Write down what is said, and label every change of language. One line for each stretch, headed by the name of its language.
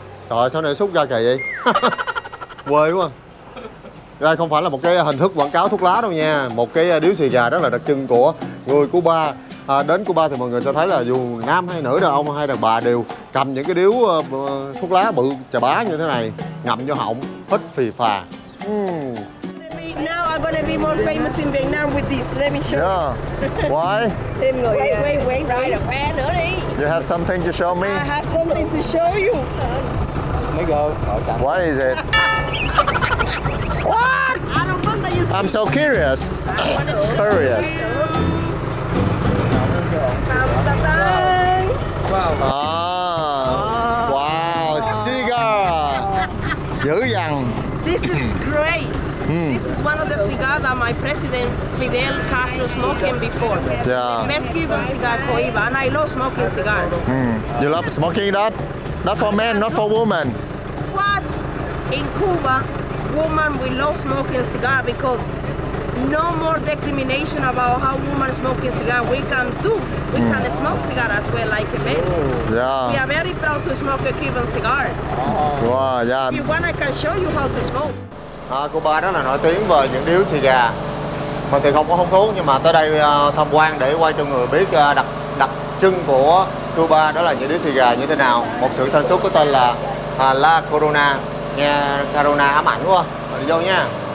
Vietnamese: Trời, sao này xúc ra kì vậy? Quê quá. Đây không phải là một cái hình thức quảng cáo thuốc lá đâu nha. Một cái điếu xì gà rất là đặc trưng của người Cuba. À, đến Cuba thì mọi người sẽ thấy là dù nam hay nữ, đàn ông hay đàn bà đều cầm những cái điếu thuốc lá bự chà bá như thế này, ngậm vô họng, hít phì phà.
English: Now I'm gonna be more famous in Vietnam with this. Let me show. Yeah. Why? Wait. You have something to show me? I have something to show you. Let me go. Okay. What is it? What? I don't think that you see. I'm so curious. Curious. Wow,
Vietnamese: cigar. Dữ dằn.
English: This is great. This is one of the cigars that my president Fidel Castro smoking before. Yeah. Best Cuban cigar, Cohiba, and I love smoking cigar. You love smoking that? Not for men, not for women. What? In Cuba, women we love smoking cigar because no more discrimination about how women smoking cigar. We can do. We can smoke cigar as well like a man. Yeah. We are very proud to smoke a Cuban cigar. Oh. Wow, yeah. If you want, I can show you how to smoke.
Vietnamese: Cuba đó là nổi tiếng về những điếu xì gà. Mình thì không có hứng thú nhưng mà tới đây tham quan để quay cho người biết đặc trưng của Cuba đó là những điếu xì gà như thế nào. Một sự sản xuất có tên là La Corona. Nghe Corona ám ảnh quá. Mình đi vô nha.